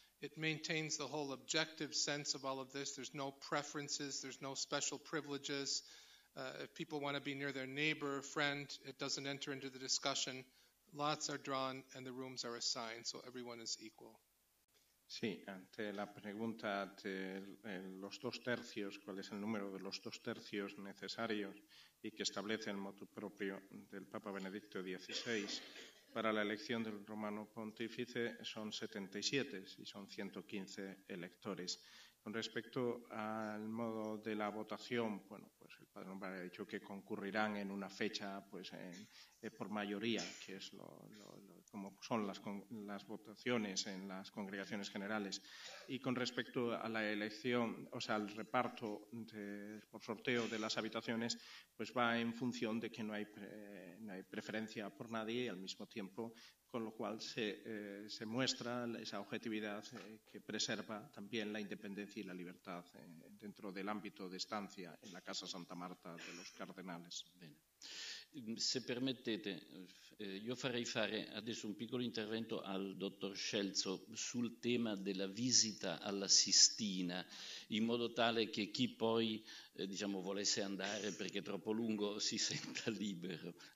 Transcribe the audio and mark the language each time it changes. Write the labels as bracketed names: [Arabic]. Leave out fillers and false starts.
[English] It maintains the whole objective sense of all of this. There's no preferences. There's no special privileges. If people want to be near their neighbor or friend, it doesn't enter into the discussion. Lots are drawn and the rooms are assigned, so everyone is equal. [Spanish] Sí, ante la pregunta de los dos tercios, cuál es el número de los dos tercios necesarios y que establece el motu propio del Papa Benedicto XVI para la elección del Romano Pontífice, son 77 y son 115 electores. Con respecto al modo de la votación, bueno, pues el Padre Lombardi ha dicho que concurrirán en una fecha, pues por mayoría, que es como son las votaciones en las congregaciones generales. Y con respecto a la elección, o sea, al reparto por sorteo de las habitaciones, pues va en función de que no hay preferencia por nadie y al mismo tiempo, con lo cual se muestra esa objetividad que preserva también la independencia y la libertad dentro del ámbito de estancia en la Casa Santa Marta de los Cardenales. [Italian] Bene. Se permettete, io farei fare adesso un piccolo intervento al dottor Scelzo sul tema della visita alla Sistina, in modo tale che chi poi diciamo volesse andare perché è troppo lungo si senta libero.